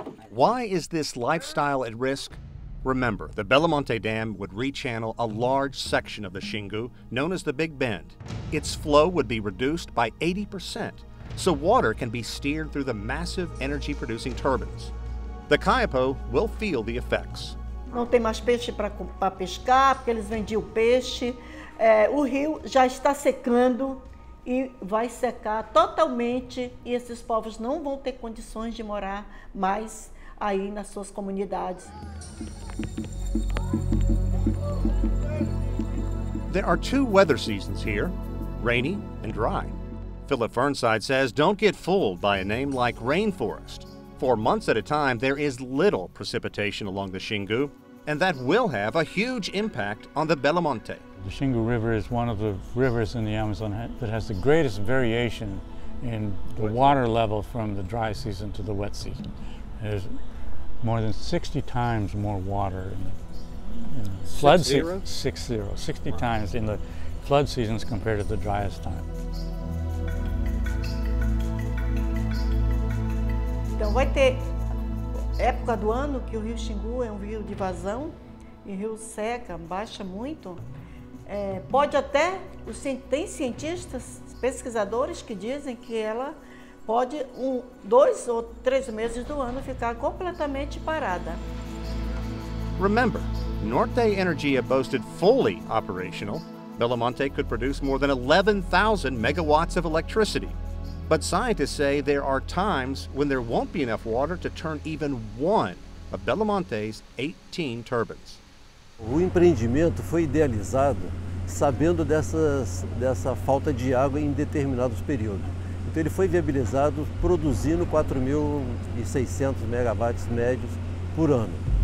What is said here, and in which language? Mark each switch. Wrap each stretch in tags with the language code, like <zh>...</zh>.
<en>Why is this lifestyle at risk? Remember, the Belamonte Dam would rechannel a large section of the Xingu, known as the Big Bend. Its flow would be reduced by 80%, so water can be steered through the massive energy-producing turbines. The Caiapó will feel the effects.</en> <pt>Não tem mais peixe para pescar, porque eles vendiam peixe. É, o rio já está secando e vai secar totalmente, e esses povos não vão ter condições de morar mais aí nas suas comunidades.</pt> <en>There are two weather seasons here, rainy and dry. Philip Fernside says don't get fooled by a name like rainforest. For months at a time, there is little precipitation along the Xingu, and that will have a huge impact on the Belamonte. The Xingu River is one of the rivers in the Amazon that has the greatest variation in the water level from the dry season to the wet season. There's more than 60 times more water in the flood season. 60 times in the flood seasons compared to the driest time.</en> <pt>Então vai ter época do ano que o rio Xingu é um rio de vazão e o rio seca, baixa muito. É, pode até, tem cientistas, pesquisadores que dizem que ela pode dois ou três meses do ano ficar completamente parada.</pt> <en>Remember, Norte Energia boasted fully operational, Belamonte could produce more than 11,000 megawatts of electricity. But scientists say there are times when there won't be enough water to turn even one of Belamonte's 18 turbines.</en> <pt>O empreendimento foi idealizado sabendo dessa falta de água em determinados períodos. Então ele foi viabilizado produzindo 4.600 megawatts médios por ano.</pt>